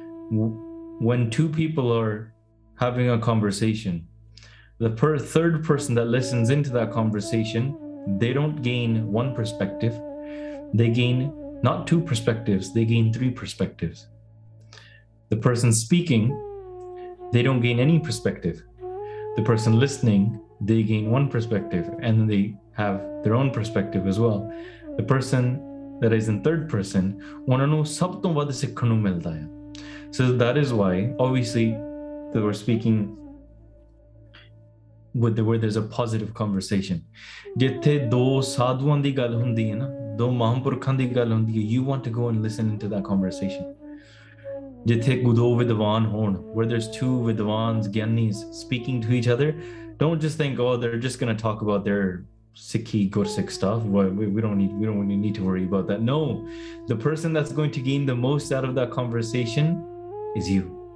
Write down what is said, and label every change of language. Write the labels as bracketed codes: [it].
[en] When two people are having a conversation, the third person that listens into that conversation, they don't gain one perspective. They gain not two perspectives, they gain three perspectives. The person speaking, they don't gain any perspective. The person listening, they gain one perspective and they have their own perspective as well. The person that is in third person, [pa] ਉਹਨਾਂ ਨੂੰ ਸਭ ਤੋਂ ਵੱਧ ਸਿੱਖਣ ਨੂੰ ਮਿਲਦਾ ਹੈ. [en] So that is why, obviously, they were speaking with the word, there's a positive conversation. [pa] ਜਿੱਥੇ ਦੋ ਸਾਧੂਆਂ ਦੀ ਗੱਲ ਹੁੰਦੀ ਹੈ ਨਾ, ਦੋ ਮਹਾਂਪੁਰਖਾਂ ਦੀ ਗੱਲ ਹੁੰਦੀ ਹੈ, [en] you want to go and listen into that conversation. [pa] Jithe gudo vidwan hon, [en] where there's two vidwans, gyanis, speaking to each other, don't just think, oh, they're just going to talk about their sikhi, gursikh stuff. We don't need to worry about that. No, the person that's going to gain the most out of that conversation is you.